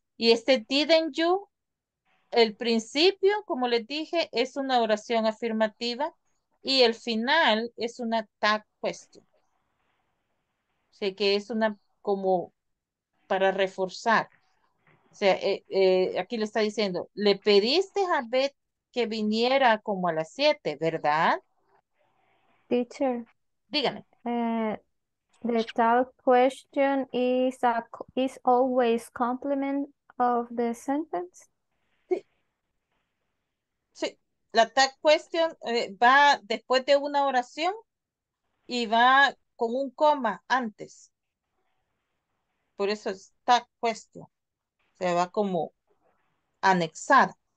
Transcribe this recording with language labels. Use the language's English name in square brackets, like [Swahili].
[Spanish] Y [English] didn't you, [Spanish] el principio, como les dije, es una oración afirmativa y el final es una tag question. O sea, que es una como para reforzar. O sea, aquí le está diciendo, le pediste a Beth que viniera como a las 7, ¿verdad? [English] Teacher. [Spanish] Dígame. [English] The tag question is always complement of the sentence. [Spanish] Sí. La tag question va después de una oración y va con un coma antes. Por eso es tag question. Se va como anexar.